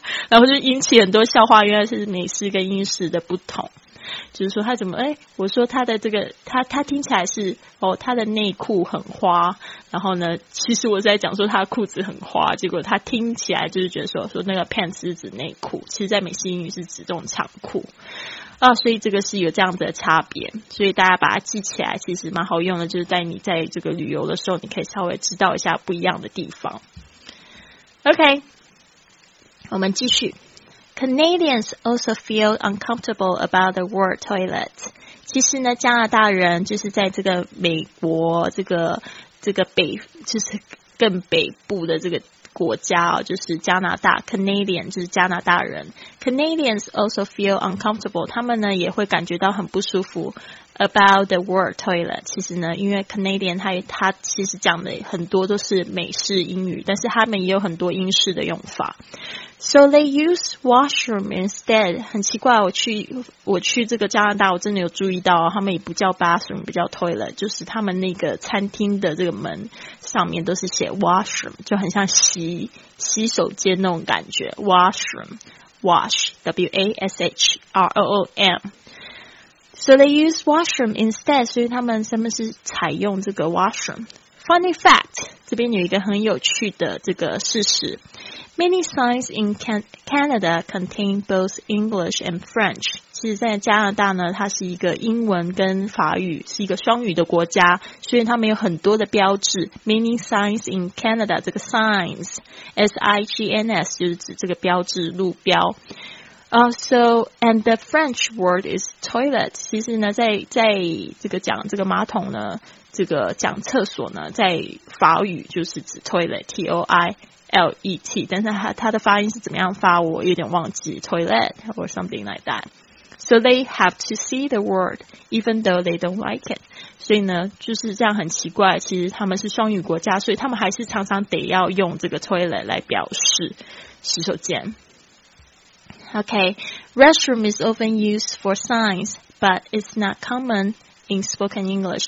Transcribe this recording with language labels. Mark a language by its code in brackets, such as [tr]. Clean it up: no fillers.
[zh] 然后就引起很多笑话，原来是美式跟英式的不同，就是说他怎么，哎，我说他的这个他听起来是，哦，他的内裤很花，然后呢其实我在讲说他的裤子很花，结果他听起来就是觉得说那个 pants 是指内裤，其实在美式英语是指这种长裤啊，所以这个是有这样的差别，所以大家把它记起来其实蛮好用的，就是在你在这个旅游的时候你可以稍微知道一下不一样的地方。 OK， 我们继续。 [en] Canadians also feel uncomfortable about the word toilet. [zh] 其实呢，加拿大人就是在这个美国这个北，就是更北部的这个国家，哦，就是加拿大 Canadian 就是加拿大人。 [en] Canadians also feel uncomfortable. [zh] 他们呢也会感觉到很不舒服 [en] about the word toilet. [zh] 其实呢，因为 Canadian 他其实讲的很多都是美式英语，但是他们也有很多英式的用法。 [en] So they use washroom instead. [zh] 很奇怪，我去这个加拿大，我真的有注意到，他们也不叫 bathroom， 不叫 toilet， 就是他们那个餐厅的这个门上面都是写 washroom， 就很像洗手间那种感觉。 [en] Washroom, wash, w a s h r o o m. So they use washroom instead. [zh] 所以他们是采用这个 [en] washroom. [zh] Funny fact, 这边有一个很有趣的这个事实。 [en] Many signs in Canada contain both English and French. [zh] 其实在加拿大呢，它是一个英文跟法语，是一个双语的国家，所以他们有很多的标志。 [en] Many signs in Canada, [zh] 这个 signs, S-I-G-N-S, 就是指这个标志路标。 [en] So, and the French word is toilet. [zh] 其实呢，在这个讲这个马桶呢，这个讲厕所呢，在法语就是指 toilet, T-O-I-L-E-T, 但是它的发音是怎么样发我有点忘记 [en] toilet or something like that. So they have to see the word even though they don't like it. [zh] 所以呢就是这样很奇怪，其实他们是双语国家，所以他们还是常常得要用这个 toilet 来表示洗手间。 [en] Okay, restroom is often used for signs, but it's not common in spoken English.